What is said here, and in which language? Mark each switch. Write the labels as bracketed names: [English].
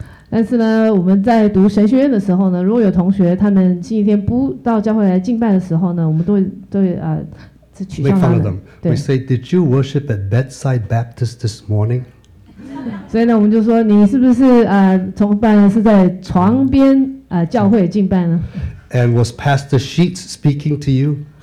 [Chinese] 但是呢，我们在读神学院的时候呢，如果有同学他们星期天不到教会来敬拜的时候呢，我们都会是取笑他们。 [English] Them. We say, "Did you worship at Bedside Baptist this morning?" [Chinese] 所以呢，我们就说你是不是崇拜是在床边教会敬拜呢 [English] ？And was Pastor Sheets speaking to you?